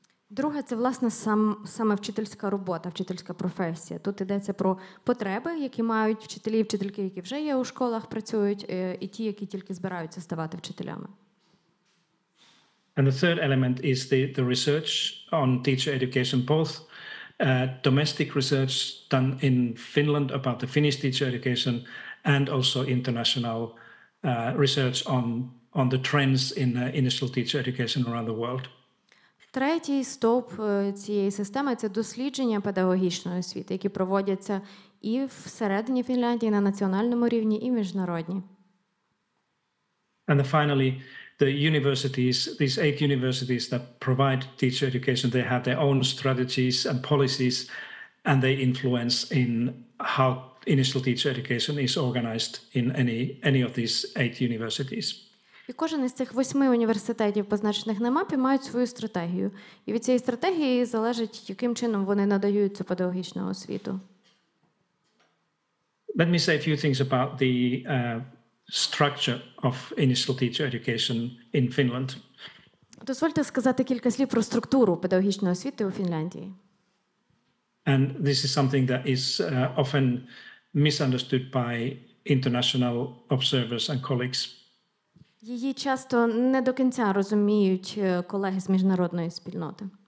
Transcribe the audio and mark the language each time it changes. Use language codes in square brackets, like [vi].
[uk] Друге, це власне саме вчительська робота, вчительська професія. Тут йдеться про потреби, які мають вчителі, вчительки, які вже є у школах, працюють, і ті, які тільки збираються ставати вчителями. [en] And the third element is the research on teacher education, both domestic research done in Finland about the Finnish teacher education, and also international research on the trends in initial teacher education around the world. [uk] Третій стовп цієї системи – це дослідження педагогічної освіти, які проводяться і всередині Фінляндії, на національному рівні, і міжнародні. [en] And finally, the universities, these 8 universities that provide teacher education, they have their own strategies and policies, and they influence in how initial teacher education is organized in any of these 8 universities. [uk] І кожен із цих 8 університетів, позначених на мапі, мають свою стратегію. І від цієї стратегії залежить, яким чином вони надають цю педагогічну освіту. [en] Let me say a few things about the structure of initial teacher education in Finland. [uk] Дозвольте сказати кілька слів про структуру педагогічної освіти у Фінляндії. [en] And this is something that is often misunderstood by international observers and colleagues. [uk] Її часто не до кінця розуміють колеги з міжнародної спільноти.